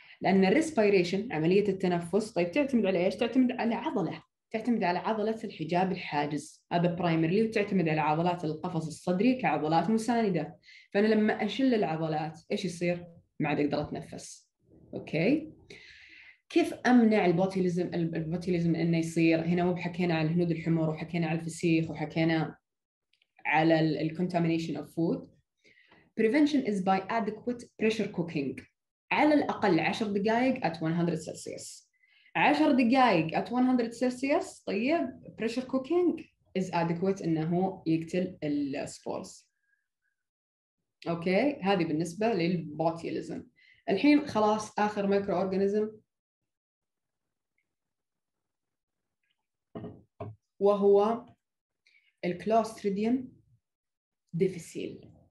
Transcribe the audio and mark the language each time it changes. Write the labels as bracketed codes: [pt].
[ar] لأن الريسبيريشن عملية التنفس، طيب، تعتمد على إيش؟ تعتمد على عضلة الحجاب الحاجز، هذا برايمرلي، وتعتمد على عضلات القفص الصدري كعضلات مساندة. فأنا لما أشل العضلات إيش يصير؟ ما عاد أقدر أتنفس، أوكي؟ كيف أمنع البوتيوليزم إنه يصير؟ هنا مو بحكينا على الهنود الحمر، وحكينا على الفسيخ، وحكينا على ال [en] contamination of food. Prevention is by adequate pressure cooking. [ar] على الأقل 10 دقائق [en] at 100 Celsius. [ar] 10 دقائق [en] at 100 Celsius، [ar] طيب، [en] pressure cooking is adequate [ar] إنه يقتل السبورز. أوكي، هذه بالنسبة للبوتيوليزم. الحين خلاص آخر مايكرو أورجانيزم، وهو الكلوستريديم ديفيسيل.